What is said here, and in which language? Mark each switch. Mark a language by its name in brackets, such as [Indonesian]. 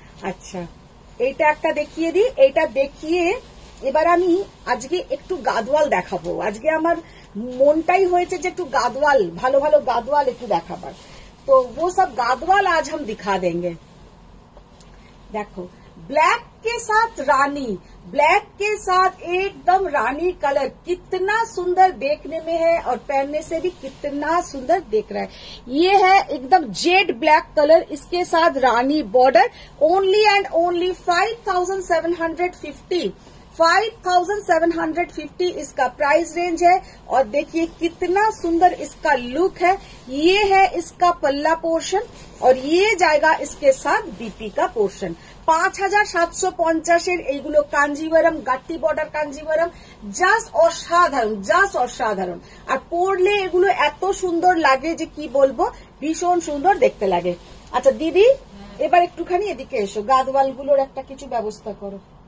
[Bangla] আচ্ছা এইটা একটা দেখিয়ে দি, এইটা দেখিয়ে এবার আমি আজকে একটু গাদওয়াল দেখাবো। আজকে আমার মনটাই হয়েছে যে একটু গাদওয়াল, ভালো ভালো গাদওয়াল একটু দেখাবার, তো ও সব গাদওয়াল [Hindi] আজ হাম দিখা দেঙ্গে। [Bangla] দেখো [Hindi] ब्लैक के साथ रानी, ब्लैक के साथ एकदम रानी कलर, कितना सुंदर देखने में है और पहनने से भी कितना सुंदर देख रहा है। ये है एकदम जेड ब्लैक कलर, इसके साथ रानी बॉर्डर, ओनली एंड ओनली 5,750 इसका प्राइस रेंज है। और देखिए कितना सुंदर इसका लुक है। ये है इसका पल्ला पोर्शन और ये जाएगा इसके साथ बीपी का पोर्शन। [Bangla] 5,750 এইগুলো কাঞ্জিবরম, গাটি বর্ডার কাঞ্জিবরম, জাস্ট অসাধারণ, জাস্ট অসাধারণ। আর পড়লে এগুলো এত সুন্দর লাগে যে কি বলবো, ভীষণ সুন্দর দেখতে লাগে। আচ্ছা দিদি এবার একটুখানি এদিকে এসো, গাদওয়াল গুলোর একটা কিছু ব্যবস্থা করো।